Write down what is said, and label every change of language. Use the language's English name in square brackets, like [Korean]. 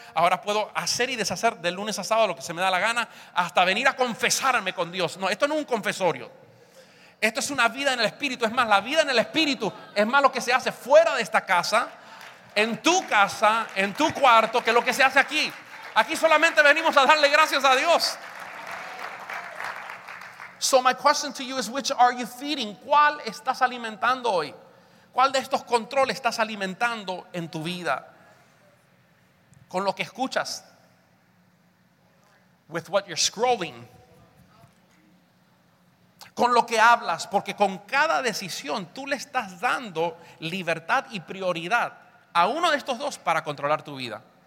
[Spanish] Ahora puedo hacer y deshacer de lunes a sábado lo que se me da la gana, hasta venir a confesarme con Dios. No, esto no es un confesorio. Esto es una vida en el Espíritu. Es más, la vida en el Espíritu es más lo que se hace fuera de esta casa, en tu cuarto, que lo que se hace aquí. Aquí solamente venimos a darle gracias a Dios. [English] So my question to you is, which are you feeding? [Spanish] ¿Cuál estás alimentando hoy? ¿Cuál de estos controles estás alimentando en tu vida? ¿Con lo que escuchas? [English] With what you're scrolling. [Spanish] Con lo que hablas, porque con cada decisión tú le estás dando libertad y prioridad a uno de estos dos para controlar tu vida.